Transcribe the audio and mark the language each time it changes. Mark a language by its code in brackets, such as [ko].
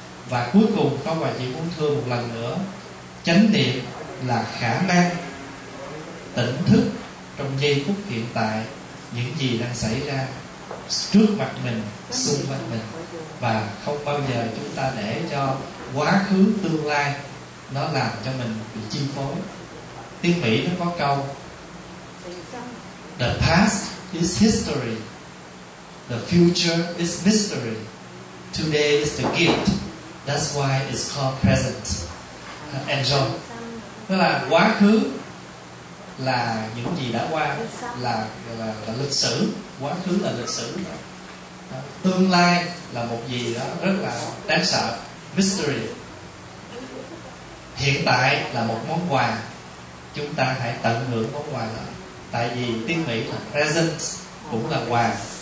[vi] Và cuối cùng không phải chỉ muốn thưa một lần nữa, chánh niệm là khả năng tỉnh thức trong giây phút hiện tại, những gì đang xảy ra trước mặt mình, xung quanh mình, và không bao giờ chúng ta để cho quá khứ tương lai nó làm cho mình bị chi phối. Tiếng Mỹ nó có câu [en] "The past is history, the future is mystery, today is the gift, that's why it's called present." Enjoy. [vi] Tức là quá khứ là những gì đã qua, là lịch sử, quá khứ là lịch sử, tương lai là một gì đó rất là đáng sợ, mystery. Hiện tại là một món quà, chúng ta hãy tận hưởng món quà đó. Tại vì tiếng Mỹ là present cũng là quà,